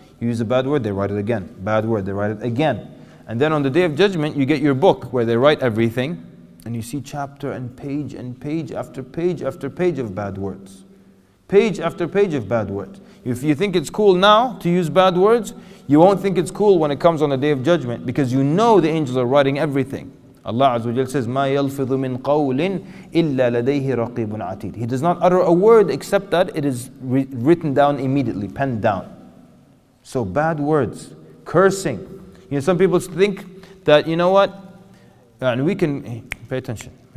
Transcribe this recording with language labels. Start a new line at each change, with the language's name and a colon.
English: You use a bad word, they write it again. Bad word, they write it again. And then on the Day of Judgment, you get your book where they write everything. And you see chapter and page after page after page of bad words. Page after page of bad words. If you think it's cool now to use bad words, you won't think it's cool when it comes on the Day of Judgment, because you know the angels are writing everything. Allah Azza wa Jalla says,
Arabic: مَا يَلْفِظُ مِنْ قَوْلٍ إِلَّا لَدَيْهِ رَقِيبٌ عَتِيدٌ.
English: He does not utter a word except that it is written down immediately, penned down. So bad words, cursing. You know, some people think that, you know what, and we can, pay attention.